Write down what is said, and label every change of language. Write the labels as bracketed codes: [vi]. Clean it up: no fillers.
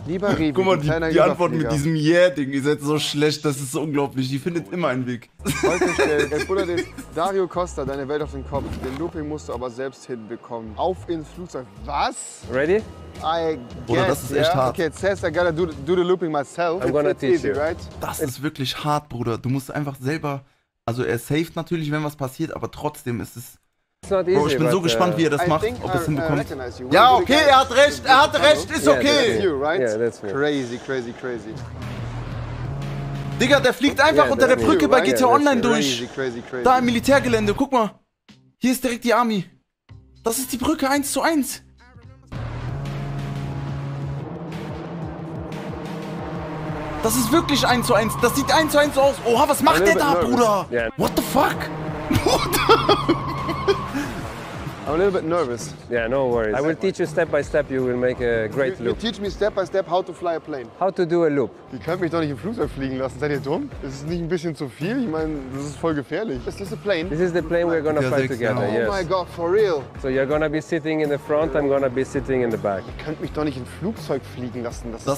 [de] Lieber Rivi, guck mal, die Antwort mit diesem Yeah-Ding. Ihr seid so schlecht, das ist unglaublich. Die findet immer einen Weg. Oder den Dario Costa, deine Welt auf den Kopf. Den Looping musst du aber selbst hinbekommen. Auf ins Flugzeug. Was? [en] Ready? I guess, [de] Bruder, das ist echt hart. [en] Okay, it says I gotta do the looping myself. I'm gonna teach easy, you. Right? [de] Das ist wirklich hart, Bruder. Du musst einfach selber... Also er saved natürlich, wenn was passiert, aber trotzdem ist es... [en] Easy, [de] Bro, ich bin so gespannt, wie er das macht, ob er es hinbekommt. Ja, okay, er hat recht, ist okay. [en] Yeah, that's you, right? Yeah, that's crazy. [de] Digga, der fliegt einfach unter der Brücke bei GTA Online durch. [en] Crazy. [de] Da im Militärgelände, guck mal. Hier ist direkt die Army. Das ist die Brücke 1:1. Das ist wirklich 1:1. Das sieht 1:1 aus. Oha, was macht der da, [en] nervous. [de] Bruder? [en] Yeah. What the fuck? I'm a little bit nervous. Yeah, no worries. I will teach you step by step. You will make a great loop. You teach me step by step how to fly a plane. How to do a loop. [de] Ihr könnt mich doch nicht im Flugzeug fliegen lassen. Seid ihr dumm? Ist es nicht ein bisschen zu viel? Ich meine, das ist voll gefährlich. [en] Is this a plane? This is the plane we're gonna fly together, oh yes. Oh my God, for real? So you're gonna be sitting in the front, I'm gonna be sitting in the back. [de] Ihr könnt mich doch nicht im Flugzeug fliegen lassen.